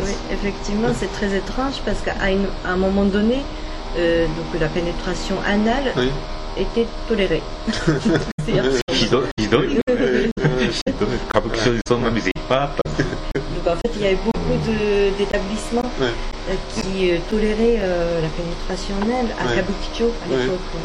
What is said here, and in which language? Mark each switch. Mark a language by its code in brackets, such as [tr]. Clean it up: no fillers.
[fr] effectivement c'est très étrange parce qu'à un moment donné, donc la pénétration anale, été toléré. [ja] ひどい歌舞伎町にそんな店いっぱいあった。 [fr] Donc en fait il y avait beaucoup de, d'établissements qui toléraient la pénétration anale à Kabukicho à l'époque.